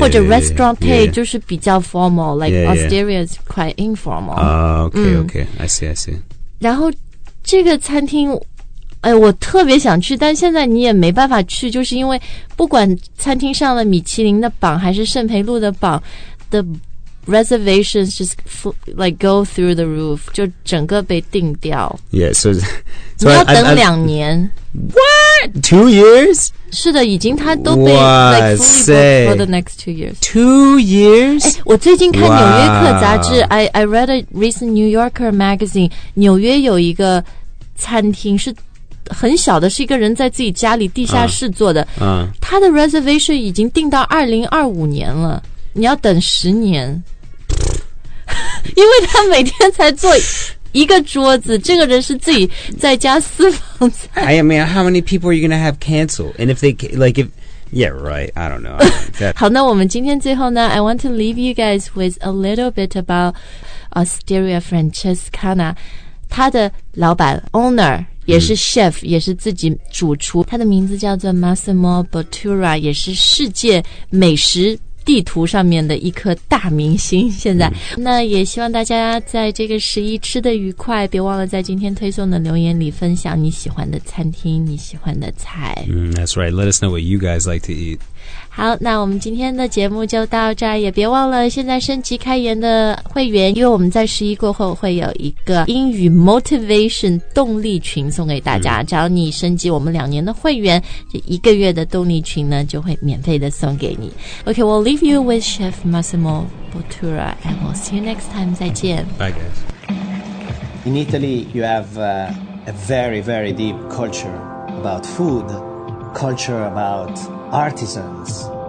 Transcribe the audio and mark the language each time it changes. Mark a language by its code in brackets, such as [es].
[zh] 或者 [en] Ristorante, [zh] 就是比较 [en] formal, like Osteria is quite informal. Okay, I see. [zh] 然后这个餐厅哎，我特别想去，但现在你也没办法去，就是因为不管餐厅上了米其林的榜还是圣培路的榜， [en] the reservations just like go through the roof. [zh] 就整个被定掉。 [en] Yeah, so... [zh] 你要等两年。 [en] What? 2 years? [zh] 是的，已经他都被 [en] fully booked for the next 2 years. 2 years? [zh] 哎，我最近看纽约客杂志。 [en] I read a recent New Yorker magazine. [zh] 纽约有一个餐厅是很小的，是一个人在自己家里地下室做的。他的 reservation 已经定到2025年了。你要等十年，因为他每天才坐一个桌子，这个人是自己在家私房菜。 [en] I mean, how many people are you going to have cancel? And if they, like, if, yeah, right, I don't know. [zh] 好，那我们今天最后呢， [en] I want to leave you guys with a little bit about Osteria Francescana. [zh] 他的老板 owner 也是 chef，也是自己主厨，他的名字叫做 Massimo Bottura， 也是世界美食地图上面的一颗大明星现在。那也希望大家在这个十一吃得愉快，别忘了在今天推送的留言里分享你喜欢的餐厅，你喜欢的菜。 [en] That's right, let us know what you guys like to eat. [zh] 好，那我们今天的节目就到这儿，也别忘了现在升级开源的会员，因为我们在十一过后会有一个英语 motivation 动力群送给大家，只要你升级我们两年的会员，这一个月的动力群呢就会免费的送给你。 [en] OK, well, I'll leave you with Chef Massimo Bottura, and we'll see you next time. [zh] 再见。 [en] Bye, guys. In Italy, you have a very, very deep culture about food, culture about artisans.